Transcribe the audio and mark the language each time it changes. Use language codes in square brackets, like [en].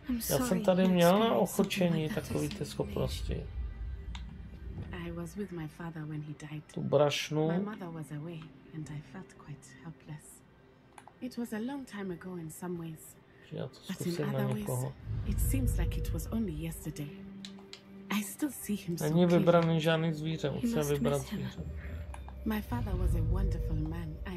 [cs] Já jsem tady měl na ochočení takové ty schopnosti. [en] I was with my father when he died. [cs] Tu brašnu. [en] My mother was away and I felt quite helpless. It was a long time ago in some ways. But in other ways, it seems like it was only yesterday. I still see him so clearly. [cs] Není vybraný žádný zvíře, musím vybrat zvíře. [en] My father was a wonderful man.